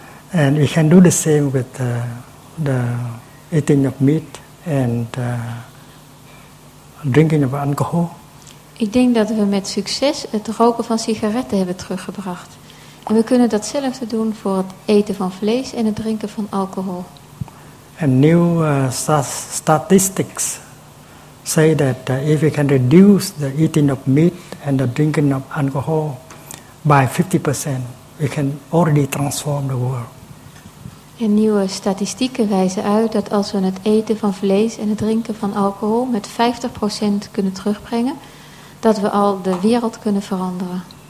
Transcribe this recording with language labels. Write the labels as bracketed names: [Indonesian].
[English] And we can do the same with the eating of meat and drinking of alcohol. [Dutch] Ik denk dat we met succes het roken van sigaretten hebben teruggebracht. En we kunnen datzelfde doen voor het eten van vlees en het drinken van alcohol. [English] And new statistics say that if we can reduce the eating of meat and the drinking of alcohol by 50%, we can already transform the world. [Dutch] En nieuwe statistieken wijzen uit dat als we het eten van vlees en het drinken van alcohol met 50% kunnen terugbrengen, dat we al de wereld kunnen veranderen.